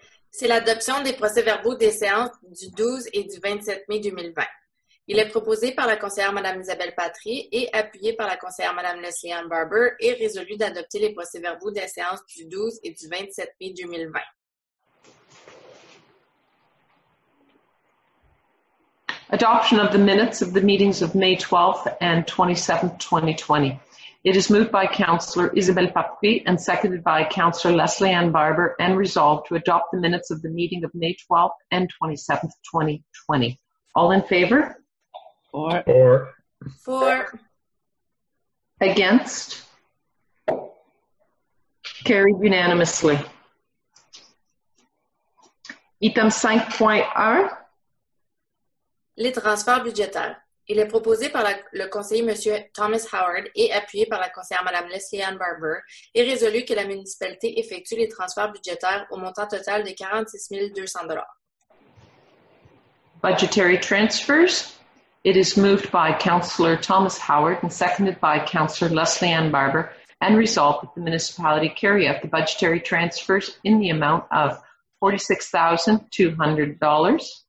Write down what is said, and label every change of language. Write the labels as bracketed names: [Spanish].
[French] C'est l'adoption des procès-verbaux des séances du 12 et du 27 mai 2020. Il est proposé par la conseillère Mme Isabelle Patry et appuyé par la conseillère Mme Leslie Ann Barber et résolu d'adopter les procès-verbaux des séances du 12 et du 27 mai 2020. [English] Adoption of the minutes of the meetings of May 12th and 27th, 2020. It is moved by Councillor Isabelle Papri and seconded by Councillor Leslie Ann Barber and resolved to adopt the minutes of the meeting of May 12th and 27th, 2020. All in favor? Four. Against? Carried unanimously. Item 5.1. [French] Les transferts budgétaires. Il est proposé par le conseiller M. Thomas Howard et appuyé par la conseillère Mme Leslie Ann Barber et résolu que la municipalité effectue les transferts budgétaires au montant total de 46 200 $. [English] Budgetary transfers. It is moved by Councillor Thomas Howard and seconded by Councillor Leslie Ann Barber and resolved that the municipality carry out the budgetary transfers in the amount of $46,200.